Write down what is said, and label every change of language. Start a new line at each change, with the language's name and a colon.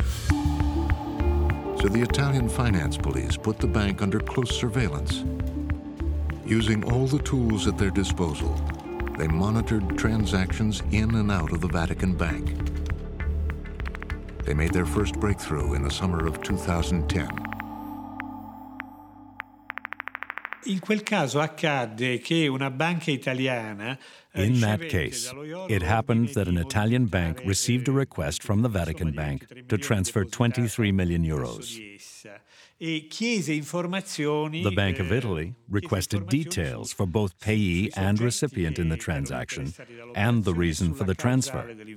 English: So the Italian finance police put the bank under close surveillance. Using all the tools at their disposal, they monitored transactions in and out of the Vatican Bank. They made their first breakthrough in the summer of 2010.
Italian: In quel caso accadde che una banca italiana.
English: In that case, it happened that an Italian bank received a request from the Vatican Bank to transfer 23 million euros. The Bank of Italy requested details for both payee and recipient in the transaction and the reason for the transfer.